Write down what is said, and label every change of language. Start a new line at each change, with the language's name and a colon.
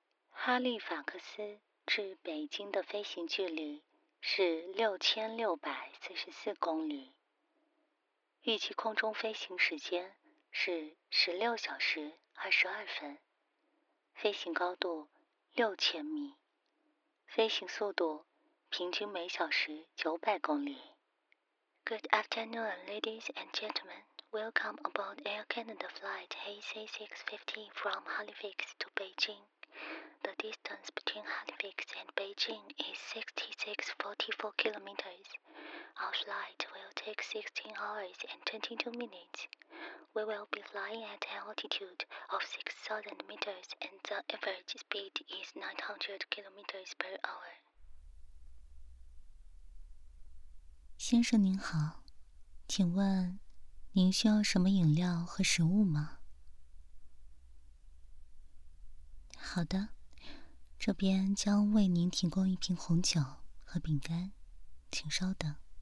Chinese: 哈利法克斯至北京的飞行距离是6644公里，预计空中飞行时间是16小时22分，飞行高度6000米，飞行速度平均每小时900公里。
English: Good afternoon, ladies and gentlemen. Welcome aboard Air Canada flight AC650 from Halifax to Beijing. The distance between Halifax and Beijing is 6644 kilometers. Our flight will take 16 hours and 22 minutes. We will be flying at an altitude of 6,000 meters and the average speed is 900 kilometers per hour.
Chinese: 先生您好，请问您需要什么饮料和食物吗？好的，这边将为您提供一瓶红酒和饼干，请稍等。